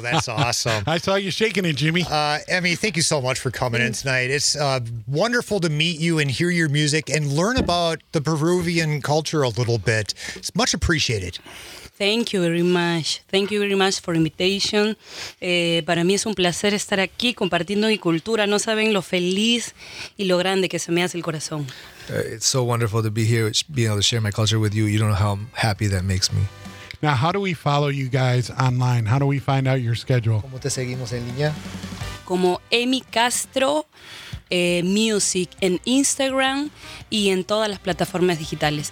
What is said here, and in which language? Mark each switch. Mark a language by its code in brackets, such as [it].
[en] That's awesome. I saw you shaking it, Jimmy. Emmy, thank you so much for coming in tonight. It's wonderful to meet you and hear your music and learn about the Peruvian culture a little bit. It's much appreciated. Thank you very much. Thank you very much for invitation. [es] Para mí es un placer estar aquí compartiendo mi cultura. No saben lo feliz y lo grande que se me hace el corazón. [en] It's so wonderful to be here, being able to share my culture with you. You don't know how happy that makes me. Now, how do we follow you guys online? How do we find out your schedule? [es] ¿Cómo te seguimos en línea? Como Emmy Castro Music en Instagram y en todas las plataformas digitales.